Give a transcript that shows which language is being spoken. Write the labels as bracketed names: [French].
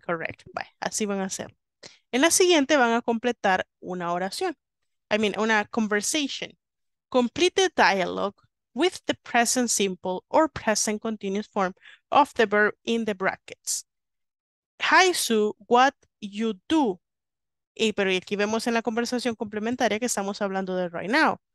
[English] correct. Bye. [Spanish] Así van a hacer. En la siguiente van a completar una oración. [English] I mean, una conversation. Complete the dialogue with the present simple or present continuous form of the verb in the brackets. Hi, Sue, what you do? [Spanish] Y, pero aquí vemos en la conversación complementaria que estamos hablando de [English] right now.